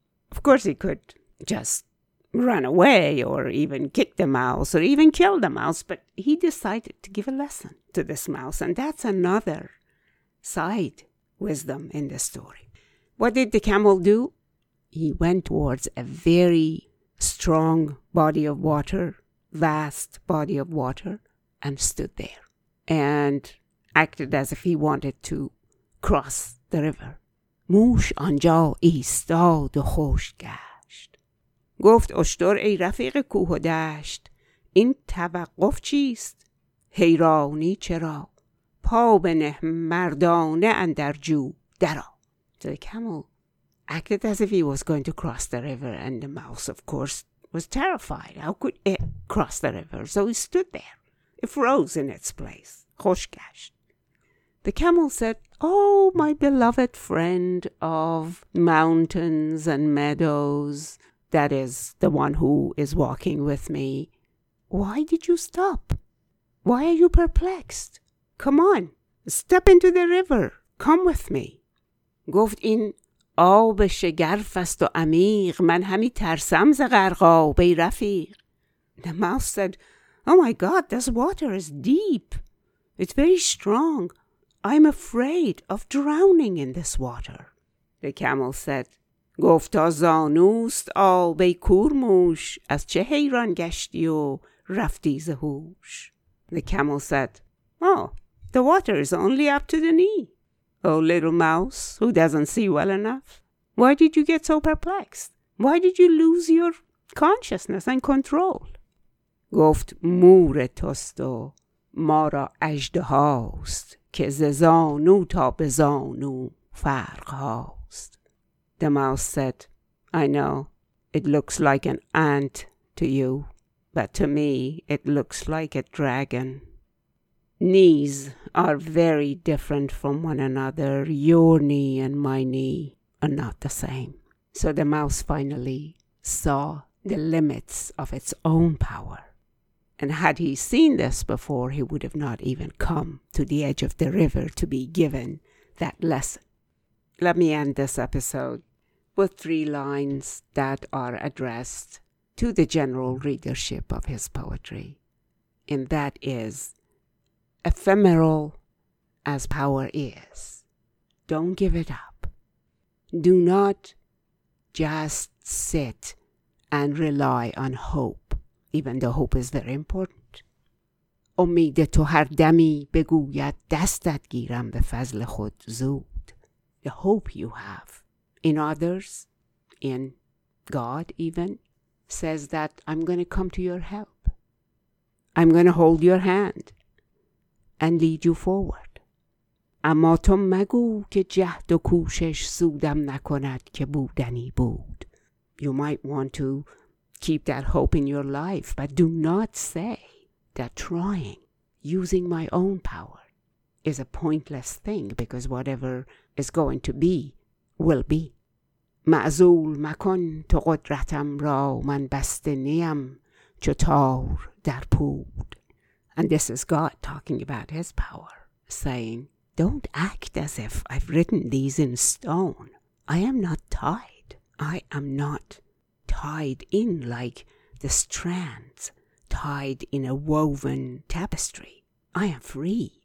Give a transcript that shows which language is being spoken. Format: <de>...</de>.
<en>Of course, he could just run away or even kick the mouse or even kill the mouse, but he decided to give a lesson to this mouse, and that's another side wisdom in the story. What did the camel do? He went towards a very strong body of water, vast body of water, and stood there. And acted as if he wanted to cross the river.</en> <fa>موش آنجا ایستاد و خشک گشت. گفت اشتر ای رفیق کوه و دشت. این توقف چیست؟ حیرانی چرا؟ پا بنه مردانه اندر جو درا.</fa> <en>So the camel acted as if he was going to cross the river. And the mouse, of course, was terrified. How could it cross the river? So he stood there. It froze in its place.</en> <fa>خشک گشت.</fa> <en>The camel said, oh, my beloved friend of mountains and meadows, that is the one who is walking with me, why did you stop? Why are you perplexed? Come on, step into the river. Come with me.</en> <fa>گفت این آب شگرف است و عمیق. من همی ترسم ز غرقاب ای رفیق.</fa> <en>The mouse said, oh my God, this water is deep. It's very strong. I'm afraid of drowning in this water. The camel said,</en> <fa>گفتا زانوست آب ای کورموش از چه حیران گشتی و رفتی زهوش.</fa> <en>The camel said, oh, The water is only up to the knee. Oh, little mouse, who doesn't see well enough, why did you get so perplexed? Why did you lose your consciousness and control?</en> <fa>گفت مور توست و ما را اژدهاست که ز زانو تا به زانو فرق هاست.</fa> <en>The mouse said, I know, it looks like an ant to you, but to me it looks like a dragon. Knees are very different from one another. Your knee and my knee are not the same. So the mouse finally saw the limits of its own power. And had he seen this before, he would have not even come to the edge of the river to be given that lesson. Let me end this episode with three lines that are addressed to the general readership of his poetry. And that is, ephemeral as power is, don't give it up. Do not just sit and rely on hope. Even though hope is very important.</en> <fa>امید تو هر دمی بگوید دستت گیرم به فضل خود زود.</fa> <en>The hope you have in others, in God even, says that I'm going to come to your help. I'm going to hold your hand and lead you forward.</en> <fa>اما تو مگو که جهد و کوشش سودم نکند که بودنی بود.</fa> <en>You might want to keep that hope in your life, but do not say that trying, using my own power, is a pointless thing, because whatever is going to be, will be.</en> <fa>معزول مکن تو قدرتم را من بسته نیم چو تار در پود.</fa> <en>And this is God talking about his power, saying, don't act as if I've written these in stone. I am not tied. I am not tied in like the strands, tied in a woven tapestry. I am free.</en>